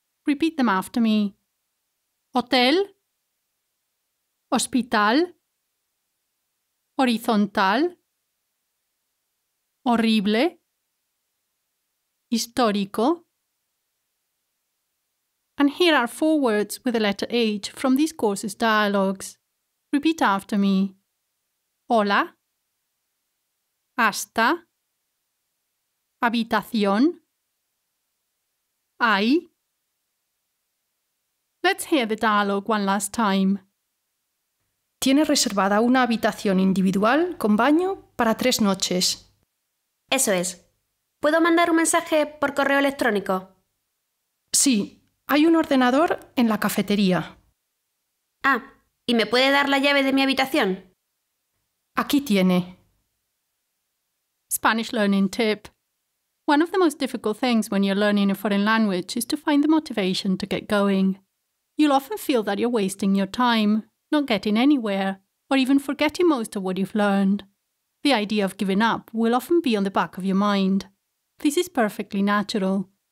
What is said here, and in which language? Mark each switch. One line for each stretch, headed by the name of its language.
English: Repeat them after me. Hotel, hospital, horizontal, horrible, histórico. And here are four words with the letter H from these courses' dialogues. Repeat after me.
Spanish: Hola, hasta, habitación, hay.
English: Let's hear the dialogue one last time.
Spanish: Tiene reservada una habitación individual con baño para tres noches. Eso es. ¿Puedo mandar un mensaje por correo electrónico? Sí, hay un ordenador en la cafetería. Ah, ¿y me puede dar la llave de mi habitación? Aquí tiene.
English: Spanish learning tip. One of the most difficult things when you're learning a foreign language is to find the motivation to get going. You'll often feel that you're wasting your time, not getting anywhere, or even forgetting most of what you've learned. The idea of giving up will often be on the back of your mind. This is perfectly natural.